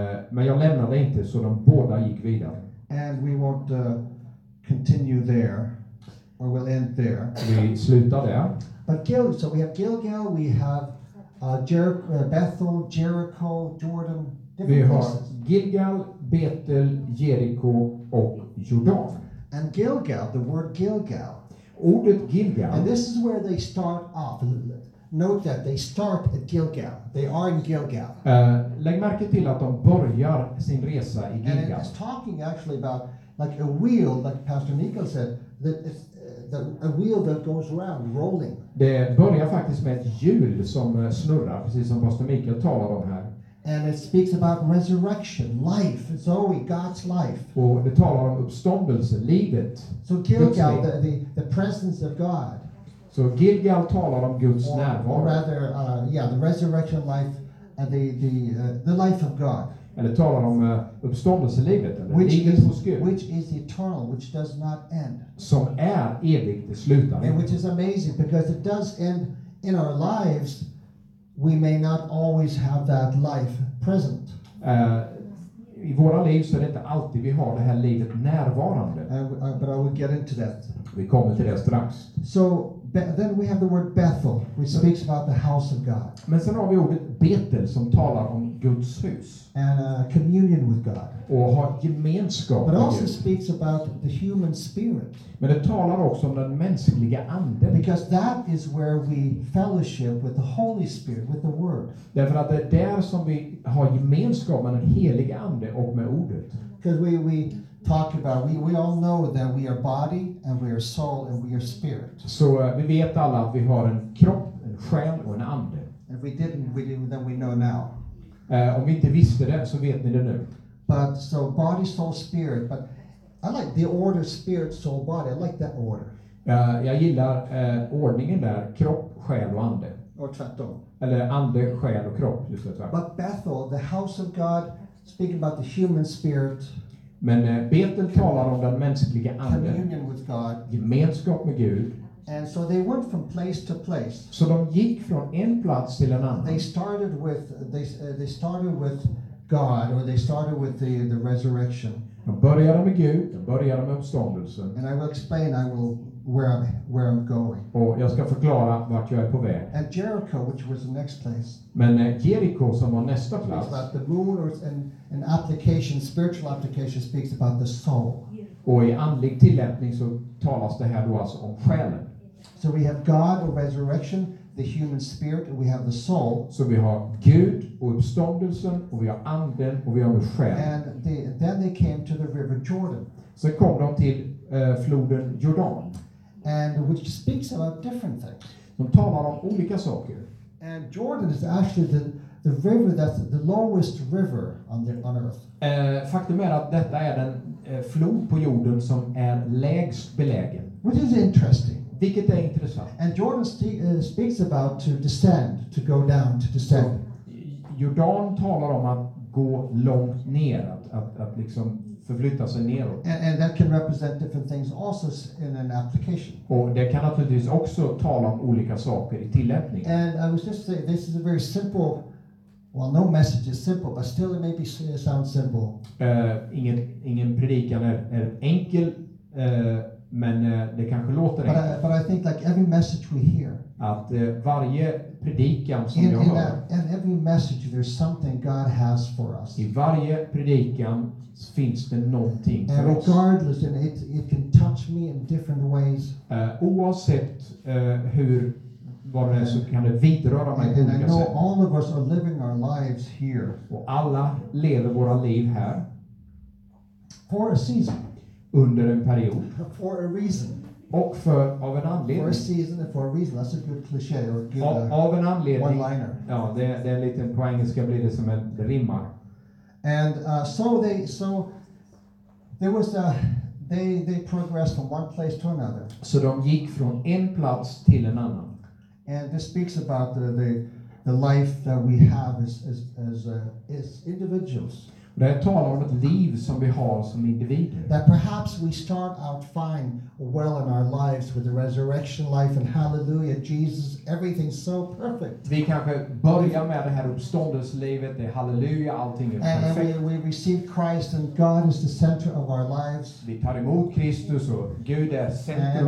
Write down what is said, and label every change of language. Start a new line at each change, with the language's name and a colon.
Swedish: Men jag lämnade inte, så de båda gick vidare.
English: And we won't continue there, or we'll end there.
Swedish: Vi slutar där.
English: But so we have Gilgal, we have Bethel, Jericho, Jordan.
Swedish: Vi har Gilgal, Betel, Jericho och Jordan.
English: And Gilgal, the word Gilgal.
Swedish: Ordet Gilgal.
English: And this is where they start off. Note that they start at Gilgal. They are in Gilgal.
Swedish: Lägg märke till att de börjar sin resa i Gilgal.
English: And it's talking actually about like a wheel, like Pastor Nico said, that it's a wheel that goes around, rolling.
Swedish: Det börjar faktiskt med ett hjul som snurrar, precis som Pastor Mikael talar om här.
English: And it speaks about resurrection, life, Zoe, God's life.
Swedish: Och det talar om uppståndelse, livet.
English: So Gilgal, the presence of God.
Swedish: Så Gilgal talar om Guds närvaro.
English: Rather, the resurrection life and the life of God.
Swedish: Eller talar om uppståndelselivet,
English: which is eternal, which does not end.
Swedish: Som är evigt, det slutar.
English: And which is amazing because it does end in our lives. We may not always have that life present.
Swedish: I våra liv så är det inte alltid vi har det här livet närvarande.
English: But I will get into that.
Swedish: Vi kommer till det strax.
English: So Then we have the word Bethel, which speaks about the house of God.
Swedish: Men sen har vi ordet Betel som talar om Guds hus.
English: And a communion with God.
Swedish: Och ha gemenskap.
English: But also speaks about the human spirit.
Swedish: Men det talar också om den mänskliga anden.
English: Because that is where we fellowship with the Holy Spirit, with the Word.
Swedish: Därför att det är där som vi har gemenskap med den heliga ande och med ordet.
English: Because we talk about, we all know that we are body and we are soul and we are spirit.
Swedish: Så vi vet alla att vi har en kropp, en själ och en ande.
English: If we didn't, then we know now.
Swedish: Om vi inte visste det så vet ni det nu.
English: But so body, soul, spirit. But I like the order spirit, soul, body. I like that order.
Swedish: Jag gillar ordningen där, kropp, själ och ande. Och tvärtom. Eller ande, själ och kropp, just det.
English: But Bethel, the house of God, speaking about the human spirit.
Swedish: Men Betel talar om den mänskliga anden.
English: Communion with God.
Swedish: Gemenskap med Gud.
English: And so they went from place to place.
Swedish: Så de gick från en plats till en annan.
English: They started with God, or they started with the resurrection.
Swedish: De började med Gud, de började med uppståndelsen.
English: And I will explain where I'm going.
Swedish: Och jag ska förklara vart jag är på väg.
English: And Jericho, which was the next place.
Swedish: Men Jericho som var nästa plats.
English: Speaks about the moon, or an application, spiritual application, speaks about the soul.
Swedish: Och i andlig tillämpning så talas det här då alltså om själen.
English: So we have God or resurrection, the human spirit, and we have the soul.
Swedish: Så vi har Gud och uppståndelsen, och vi har anden, och vi har själen.
English: And then they came to the river Jordan.
Swedish: Så kom de till floden Jordan.
English: And which speaks about different things.
Swedish: De talar om olika saker.
English: And Jordan is actually the river that's the lowest river on earth.
Swedish: Faktum är att detta är den flod på jorden som är lägst belägen.
English: Which is interesting.
Swedish: Vilket är intressant.
English: And Jordan speaks about to descend, to go down, to descend.
Swedish: Så Jordan talar om att gå långt ner, att liksom förflytta sig neråt.
English: And that can represent different things also in an application.
Swedish: Och det kan naturligtvis också tala om olika saker i tillämpningen.
English: And I was just saying, this is a very simple, well, no message is simple, but still it maybe sounds simple.
Swedish: Ingen predikan är enkel, men det kanske låter enkelt.
English: But I think like every message we hear.
Swedish: Att varje predikan som jag hör.
English: In every message there's something God has for us.
Swedish: I varje predikan finns det någonting för oss.
English: Regardless, and it can touch me in different ways.
Swedish: Oavsett hur vad det är, så kan det vidröra mig på olika sätt.
English: All of us are living our lives here.
Swedish: Och alla lever våra liv här.
English: For a season.
Swedish: Under en period.
English: For a reason.
Swedish: Och för av en anledning.
English: For a season and for a reason. That's a good cliché.
Swedish: Av en anledning.
English: One-liner.
Swedish: Ja, det är en liten poäng. Det ska bli det som en rimmar.
English: And so they progressed from one place to another.
Swedish: Så de gick från en plats till en annan.
English: And this speaks about the life that we have as individuals.
Swedish: Det talar om ett liv som vi har som individer.
English: That perhaps we start out fine, well in our lives with the resurrection life and hallelujah, Jesus, everything so perfect.
Swedish: Vi kanske börjar med det här uppståndelselivet, det är halleluja, allting är
English: and
Swedish: perfekt.
English: And we receive Christ and God is the center of our lives.
Swedish: Vi tar emot Kristus och Gud är centrum.